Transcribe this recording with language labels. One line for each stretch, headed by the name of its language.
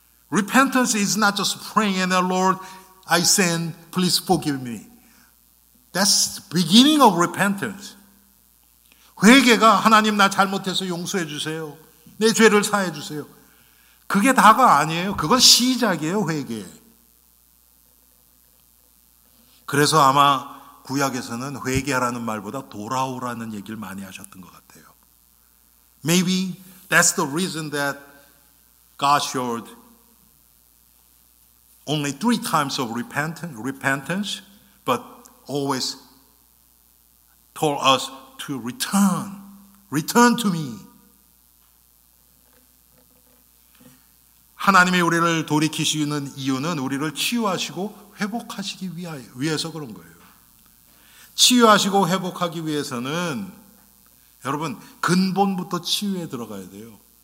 English: Repentance is not just praying and the Lord, I sin, please forgive me. That's the beginning of repentance.
Korean: 회개가 하나님 나 잘못해서 용서해 주세요. 내 죄를 사해 주세요. 그게 다가 아니에요. 그건 시작이에요, 회개. 그래서 아마 구약에서는 회개하라는 말보다 돌아오라는 얘기를 많이 하셨던 것 같아요.
English: Maybe that's the reason that God showed only three times of repentance, but always told us to return. Return to me.
Korean: 하나님이 우리를 돌이키시는 이유는 우리를 치유하시고 회복하시기 위해서 그런 거예요. 치유하시고 회복하기 위해서는 여러분 근본부터 치유에 들어가야 돼요.